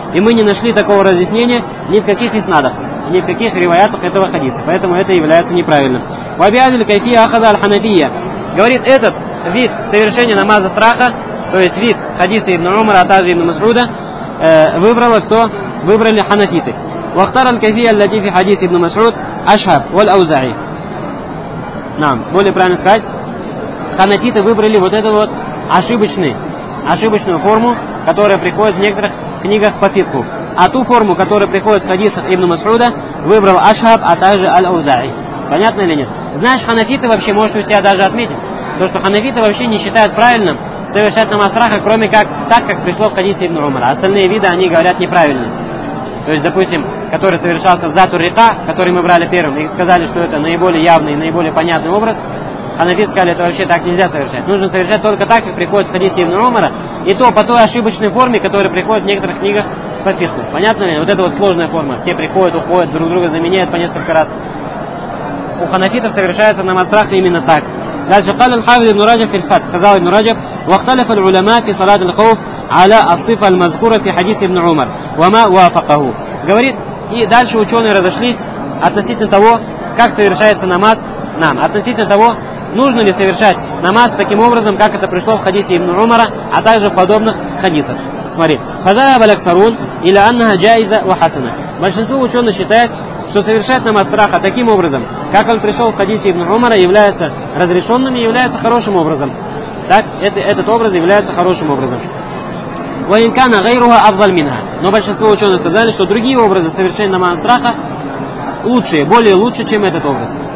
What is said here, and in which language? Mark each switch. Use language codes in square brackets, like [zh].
[ru] «И мы не нашли такого разъяснения ни в каких иснадах, ни в каких риваятах этого хадиса». Поэтому это является неправильным. [ar] «Вабиадиль кайфия ахаза аль-ханафия». [ru] Говорит, этот вид совершения намаза страха, то есть вид хадиса Ибн Умара, а также Ибн Масруда, выбрала кто? Выбрали ханафиты. [ar] واختار الكافية التي في حديث ابن مسعود أشهب والأوزاعي. نعم. [ru] более правильно сказать, ханафиты выбрали вот эту вот ошибочную форму, которая приходит в некоторых книгах по фикху. А ту форму, которая приходит в хадисах ибн Масруда, выбрал Ашхаб, а также Аль-Аузаи. Понятно или нет? Знаешь, ханафиты вообще, может, у тебя даже отметить, то, что ханафиты вообще не считают правильным совершать намаз страха, кроме как так, как пришло в хадисе ибн Умара. Остальные виды, они говорят, неправильно. То есть, допустим, который совершался зату рита, который мы брали первым, и сказали, что это наиболее явный и наиболее понятный образ, ханафиты сказали, это вообще так нельзя совершать. Нужно совершать только так, как приходит в хадисе ибн Умара, и то по той ошибочной форме, которая приходит в некоторых книгах по фикху. Понятно ли? Вот это вот сложная форма. Все приходят, уходят, друг друга заменяют по несколько раз. У ханафитов совершается намаз страха именно так. Дальше. [ar] قال الحافظ ابن رجب في الفتح. [ru] Сказал [ar] ابن رجب. واختلف العلماء في صلاة الخوف على الصفة المذكورة في حديث ابن عمر وما وافقه. [ru] Говорит, и дальше ученые разошлись относительно того, как совершается намаз нам. Относительно того, нужно ли совершать намаз таким образом, как это пришло в хадисе ибн Умара, а также в подобных хадисах. Смотри. [ar] فذهب الأكثرون إلى أنها جائزة وحسنة. [ru] Большинство ученых считает, что совершать намаз страха таким образом, как он пришел в хадисе ибн Умара, является разрешенным и является хорошим образом. Так, этот образ является хорошим образом. [ar] Валинкана гайруха абдаль минха. [ru] Но большинство ученых сказали, что другие образы совершения намаза страха лучшие, более лучше, чем этот образ.